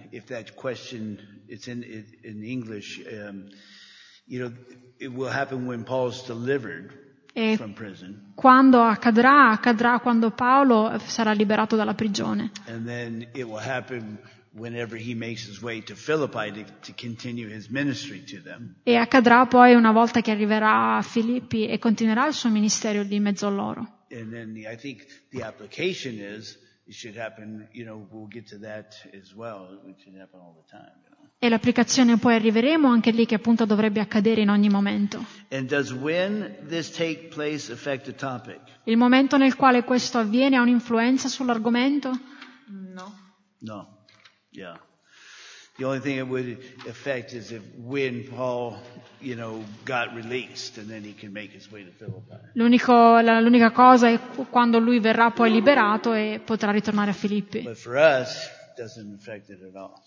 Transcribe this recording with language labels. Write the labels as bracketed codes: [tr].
[en] If that question it's in English, it will happen when Paul's delivered. [it] E [en] from prison. [it] Quando accadrà? Accadrà quando Paolo sarà liberato dalla prigione. [en] And then it will happen whenever he makes his way to Philippi to continue his ministry to them. [it] E accadrà poi una volta che arriverà a Filippi e continuerà il suo ministero di mezzo a loro. [en] And then I think the application is it should happen. You know, we'll get to that as well. It should happen all the time. [it] E l'applicazione poi arriveremo anche lì che appunto dovrebbe accadere in ogni momento. [en] And does when this take place affect the topic? [it] Il momento nel quale questo avviene ha un'influenza sull'argomento? [en] No. No. Yeah. The only thing it would affect is if when Paul, you know, got released and then he can make his way to Philippi. [it] L'unica cosa è quando lui verrà poi liberato e potrà ritornare a Filippi. [en] But for us, doesn't affect it at all.